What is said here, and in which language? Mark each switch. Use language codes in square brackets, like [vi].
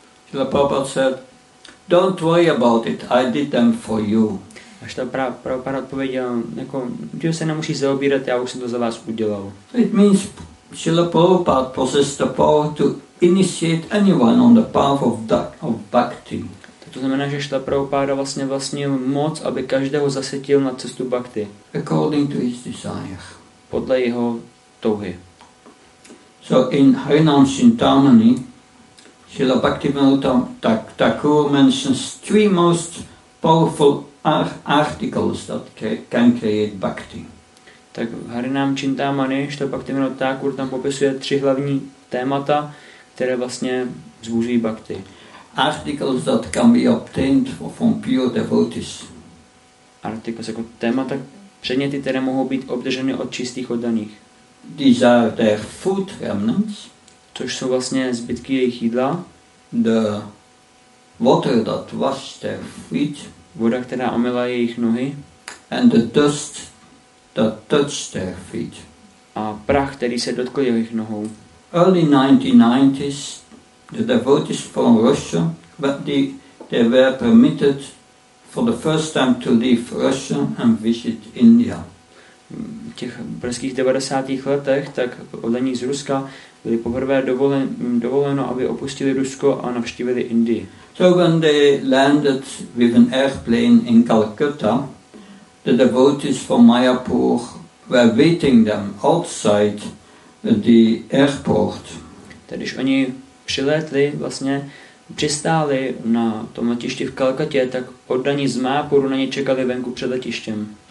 [en] Srila Prabhupada said, don't worry about it, I did them for you. [cs] A Šta Prabhupada odpověděl, jako, že se nemusí zaobírat, já už jsem to za vás udělal. [en] It means Srila Prabhupada possesses the power to initiate anyone on the path of bhakti. [cs] To znamená, že Šta Prabhupada vlastně vlastnil moc, aby každého zasetil na cestu bhakti. [en] According to his desire. [cs] Podle jeho touhy. [en] So in Harinam Chintamani, Srila Bhaktivinoda Thakur mentions three most powerful articles that can create bhakti. [cs] Tak v Harinam Chintamani, Srila Bhaktivinoda Thakur tam popisuje tři hlavní témata, které vlastně zbuzují bhakti. [en] Articles that can be obtained from pure devotees. [cs] Articles jako témata, předměty, které mohou být obdrženy od čistých oddaných. [en] These are their food remnants. [cs] Což jsou vlastně zbytky jejich jídla. [en] The water that washed their feet. [cs] Voda, která omyla jejich nohy. [en] And the dust that touched their feet. [cs] A prach, který se dotkl jejich nohou. [en] Early 1990s, the devotees from Russia, but they were permitted for the first time to leave Russia and visit India. [cs] V těch brzkých 90. letech, tak oddaní z Ruska byli poprvé dovoleno, aby opustili Rusko a navštívili Indii. [en] So when they landed with an airplane in Calcutta, the devotees from Mayapur were waiting them outside the airport. [cs] Tedy, když oni přilétli vlastně přistáli na tom letišti v Kalkatě, tak oddaní z Mayapuru na ně čekali venku před letištěm.